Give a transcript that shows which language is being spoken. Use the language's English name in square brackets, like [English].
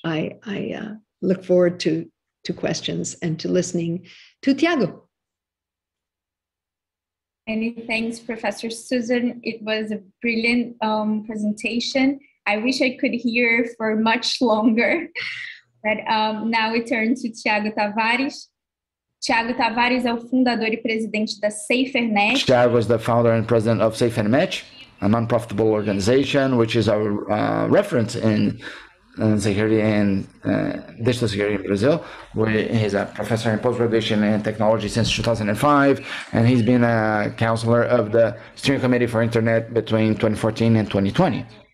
[English] I look forward to questions and to listening to Tiago. Many thanks, Professor Susan. It was a brilliant presentation. I wish I could hear for much longer. But now we turn to Tiago Tavares. [Portuguese] Tiago Tavares é o fundador e presidente da SaferNet. [English] Tiago is the founder and president of SaferNet, a non-profitable organization, which is a reference in security and digital security in Brazil. He's a professor in post-graduation in technology since 2005, and he's been a counselor of the steering committee for internet between 2014 and 2020.